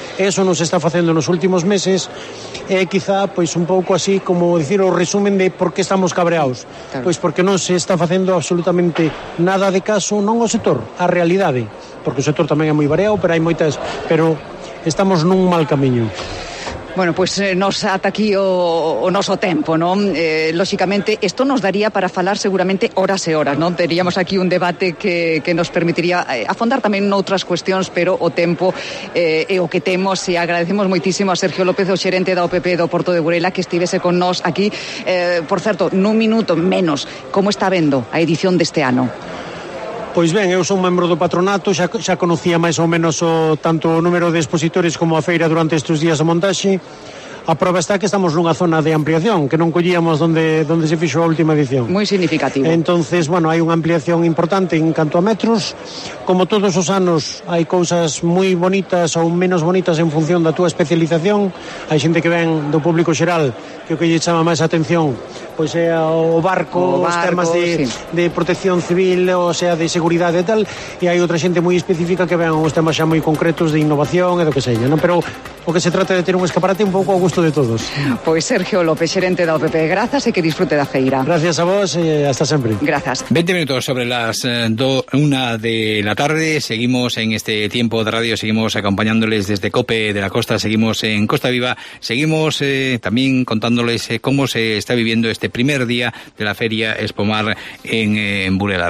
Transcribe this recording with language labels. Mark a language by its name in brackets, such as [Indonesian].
[Galician] Eso nos está facendo nos últimos meses, e quizá pois un pouco así como decir o resumen de por que estamos cabreados. Claro. Pois porque non se está facendo absolutamente nada de caso, non ao sector, á realidade, porque o sector tamén é moi variado, pero hai moitas, pero estamos nun mal camiño. Bueno, pues nos ata aquí o noso tempo, non? Lógicamente, isto nos daría para falar seguramente horas e horas, non? Teríamos aquí un debate que nos permitiría afondar tamén noutras cuestións, pero o tempo é o que temos, e agradecemos moitísimo a Sergio López, o xerente da OPP do Porto de Burela, que estivese con nos aquí. Por certo, nun minuto menos, como está vendo a edición deste ano? Pois ben, eu son membro do patronato, xa conocía máis ou menos tanto o número de expositores como a feira durante estes días de montaxe. A prova está que estamos nunha zona de ampliación, que non collíamos donde se fixou a última edición. Moi significativo. Entonces, bueno, hai unha ampliación importante en canto a metros. Como todos os anos, hai cousas moi bonitas ou menos bonitas en función da túa especialización. Hai xente que ven do público xeral, que o que lle chama máis atención pois é o barco, os temas de protección civil, ou sea, de seguridade e tal. E hai outra xente moi específica que ven os temas xa moi concretos de innovación e do que seña, non? Pero [Spanish] o que se trata de tener un escaparate un poco a gusto de todos. Pues Sergio López, gerente de OPP, gracias y que disfrute de Ajeira. Gracias a vos y hasta siempre. Gracias. 20 minutos sobre las 1 de la tarde, seguimos en este tiempo de radio, seguimos acompañándoles desde COPE de la Costa, seguimos en Costa Viva, seguimos también contándoles cómo se está viviendo este primer día de la Feria Espomar en Burela.